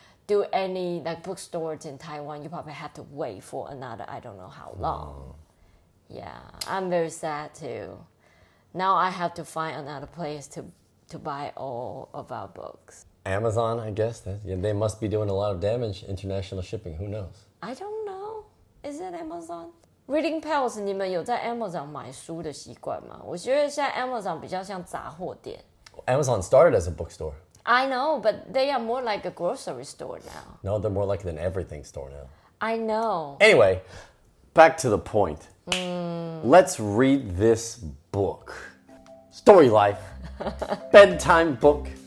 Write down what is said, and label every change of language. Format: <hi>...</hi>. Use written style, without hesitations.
<en>do any like bookstores in Taiwan, you probably have to wait for another, I don't know how long. Yeah, I'm very sad too. Now I have to find another place to buy all of our books. Amazon, I guess. They must be doing a lot of damage, international shipping. Who knows? I don't know. Is it Amazon?</en> <zh>Reading Pals, 你们有在 Amazon 买书的习惯吗？我觉得现在 Amazon 比较像杂货店。</zh> <en>Amazon started as a bookstore. I know, but they are more like a grocery store now. No, they're more like an everything store now. I know. Anyway, back to the point. Let's read this book. Story Life. Bedtime book.</en>